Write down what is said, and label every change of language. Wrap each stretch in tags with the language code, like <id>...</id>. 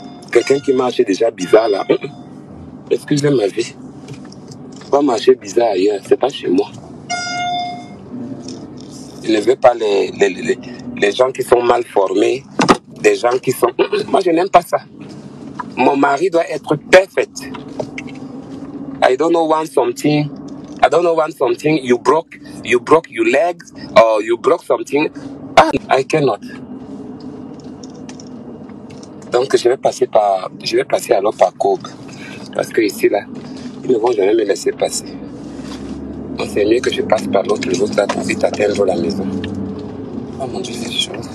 <fr>Quelqu'un qui marche déjà bizarre là. Excusez ma vie. Va marcher bizarre ailleurs. C'est pas chez moi. Je ne veux pas les gens qui sont mal formés. Des gens qui sont... Moi, je n'aime pas ça. Mon mari doit être parfait.</fr> <en>I don't know one something. I don't know one something. You broke your legs or you broke something. I cannot.</en> <fr>Donc je vais passer alors par Kobe. Parce que ici là, ils ne vont jamais me laisser passer. Donc c'est mieux que je passe par l'autre jour là pour vite atteindre la maison. Oh mon Dieu, c'est chaud.</fr>